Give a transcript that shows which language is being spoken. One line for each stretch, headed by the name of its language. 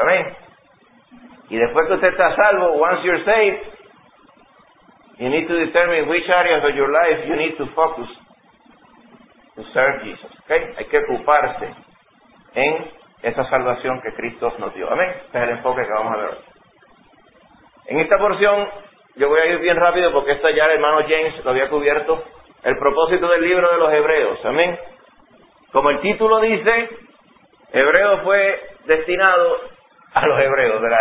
Spanish: Amén. Y después que usted está salvo,
English: once you're saved, you need to determine which areas of your life you need to focus to serve Jesus. ¿Okay?
Spanish: Hay que ocuparse en esa salvación que Cristo nos dio. Amén. Este es el enfoque que vamos a ver. En esta porción, yo voy a ir bien rápido porque esta ya el hermano James lo había cubierto. El propósito del libro de los Hebreos. Amén. Como el título dice, Hebreos fue destinado a los Hebreos, ¿verdad?